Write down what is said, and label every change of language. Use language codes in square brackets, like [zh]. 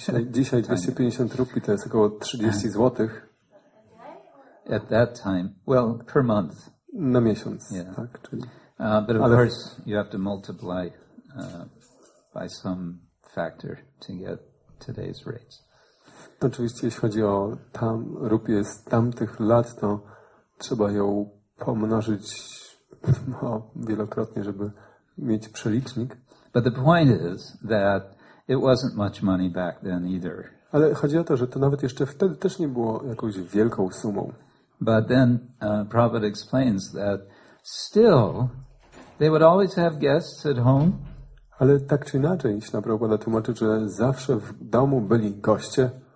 [pl] dzisiaj 250 rupii to jest około 30 zł. [en] At that time, well, per month. [pl] Na miesiąc, yeah. Tak, czyli. [en] But of course, you have to multiply by some factor to get today's rates. [pl] Oczywiście, jeśli chodzi o tam rupię z tamtych lat, to trzeba ją pomnożyć wielokrotnie, żeby mieć przelicznik. [en] But the point is that it wasn't much money back then either. [pl] Ale chodzi o to, że to nawet jeszcze wtedy też nie było jakąś wielką sumą. [en] But then Prabhupada explains that still they would always have guests at home. [pl] Ale tak czy inaczej, Śla Prabhupada tłumaczy, że zawsze w domu byli goście.